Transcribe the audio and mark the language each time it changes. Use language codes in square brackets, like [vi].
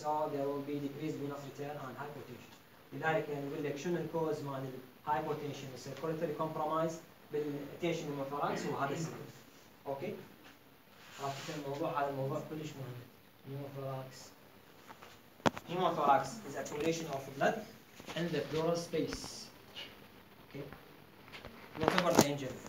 [en] So there will be decreased venous return and hypotension. [ar] لذلك نقول لك شنو cause مال hypotension [en] is circulatory compromise [ar] بالتنشن المفرغ وهذا السبب. [en] Okay. [ar] عرفت الموضوع هذا الموضوع كلش مهم. [en] Pneumothorax is accumulation of blood in the pleural space. Okay. Whatever the injury.